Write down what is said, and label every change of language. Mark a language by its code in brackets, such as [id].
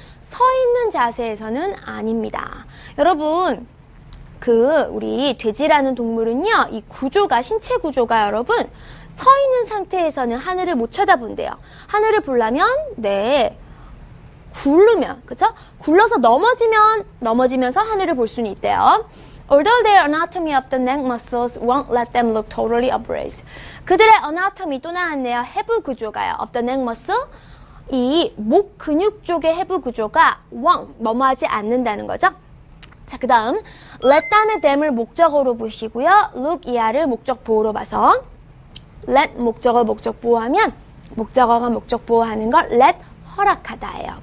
[ko] 서 있는 자세에서는 아닙니다. 여러분, 그 우리 돼지라는 동물은요. 이 구조가, 신체 구조가 여러분, 서 있는 상태에서는 하늘을 못 쳐다본대요. 하늘을 보려면, 네, 굴르면, 그쵸? 굴러서 넘어지면, 넘어지면서 하늘을 볼 수는 있대요. [en] Although their anatomy of the neck muscles won't let them look totally upraised. [ko] 그들의 anatomy 또 나왔네요. 해부 구조가요. Of the neck muscle. 이 목 근육 쪽의 해부 구조가 won't, 넘어하지 않는다는 거죠. 자, 그 다음. Let down의 them을 목적어로 보시고요. Look 이하를 목적 보호로 봐서. Let 목적어 목적 보호하면 목적어가 목적 보호하는 걸 let 허락하다예요.